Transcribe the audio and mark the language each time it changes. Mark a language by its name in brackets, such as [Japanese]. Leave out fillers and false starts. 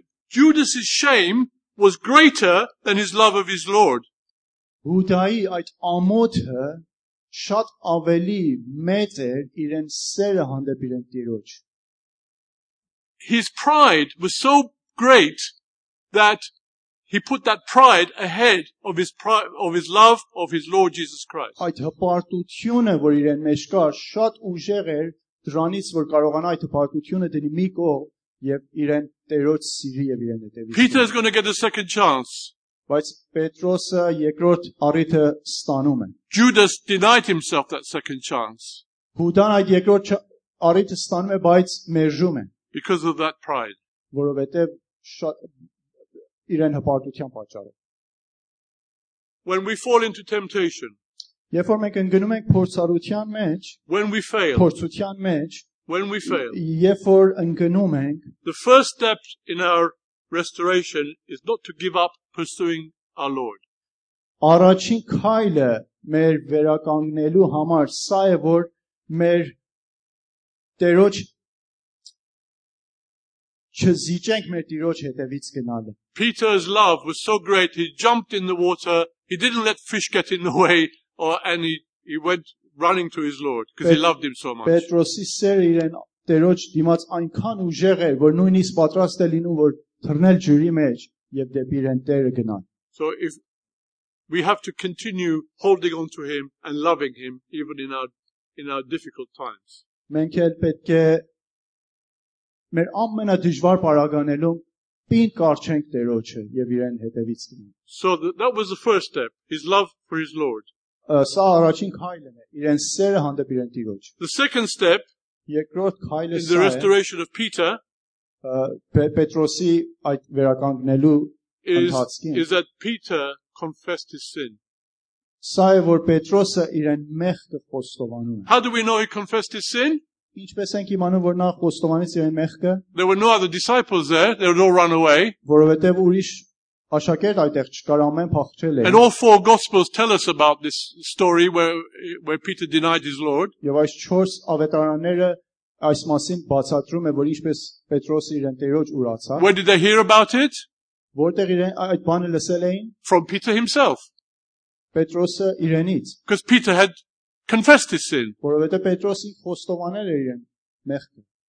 [English] Judas's shame was greater than his love of his Lord. [Armenian] Հուդայի այդ ամոթը շատ ավելի մեծ էր իրեն սերը հանդեպ իրեն տիրոջ. [English] His pride was so great that he put that pride ahead of his love of his Lord Jesus Christ. [Armenian] Այդ հպարտությունը, որ իրեն մեջ կա, շատ ուժեղ էր դրանից, որ կարողանա այդ հպարտությունը դնի մի կողմ եւ իրեն Տերոջ սիրի եւ իրեն հետեւի։ [English] Peter is going to get a second chance. [Armenian] Բայց Պետրոսը երկրորդ առիթը ստանում է. [English] Judas denied himself that second chance. [Armenian] Հուդան այդ երկրորդ առիթը ստանում է, բայց մերժում է. [English] Because of that pride. [Armenian] Որովհետեւ շատ իրեն հպարտության պատճառով. [English] When we fall into temptation. [Armenian] Երբ որ մենք ընկնում ենք փորձառության մեջ. [English] When we fail. [Armenian] Փորձության մեջ. [English] When we fail. [Armenian] Երբ որ ընկնում ենք. [English] The first step in our restoration is not to give up pursuing our Lord. [Armenian] Առաջին քայլը մեր վերականգնելու համար սա է, որ մեր Տերոջ չզիջենք մեր Տերոջ հետևից գնալը. [English] Peter's love was so great he jumped in the water, he didn't let fish get in the way, or and he went running to his Lord because he loved him so much. [Armenian] Պետրոսի սերը իրեն Տերոջ դիմաց այնքան ուժեղ էր, որ նույնիսկ պատրաստ է լինում որ թռնել ջրի մեջ եւ դեպի իրեն Տերը գնալ. [English] So if we have to continue holding on to him and loving him even in our difficult times. [Armenian] Մենք էլ պետք է մեր ամենադժվար պարագաներում պին կարչենք Տերոջը եւ իրեն հետեւից գնանք. [English] So that was the first step, his love for his Lord. [Armenian] Սա առաջին քայլը է, իրեն սերը հանդեպ իրեն Տերոջ. [English] The second step, [Armenian] երկրորդ քայլը, [English] the restoration of Peter, [Armenian] Պետրոսի այդ վերականգնելու ընթացքին, [English] is that Peter confessed his sin. [Armenian] Սա է, որ Պետրոսը իրեն մեղքը խոստովանում է. [English] How do we know he confessed his sin? [Armenian] Ինչպես ենք իմանում, որ նա խոստովանեց իրեն մեղքը? [English] There were no other disciples there, they had all run away. [Armenian] Որովհետև ուրիշ աշակերտ այդտեղ չկար, ամեն փախչել էր. [English] And all four gospels tell us about this story where Peter denied his Lord. [Armenian] Եվ այս չորս ավետարանները այս մասին բացատրում է, որ ինչպես Պետրոսը իրեն Տերոջ ուրացավ. [English] Where did they hear about it? [Armenian] Որտեղ իրեն այդ բանը լսել էին? [English] From Peter himself. [Armenian] Պետրոսը իրենից. [English] Because Peter had confessed his sin. [Armenian] Որովհետև Պետրոսը խոստովանել էր իրեն մեղքը.